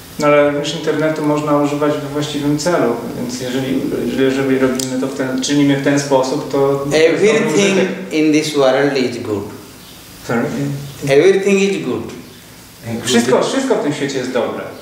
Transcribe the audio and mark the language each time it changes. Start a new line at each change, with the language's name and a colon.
Polish: No, ale już internetu można używać we właściwym celu, więc jeżeli robimy to czynimy w ten sposób, to
English: everything in this world is good. Sorry? Everything is good.
Polish: Wszystko w tym świecie jest dobre.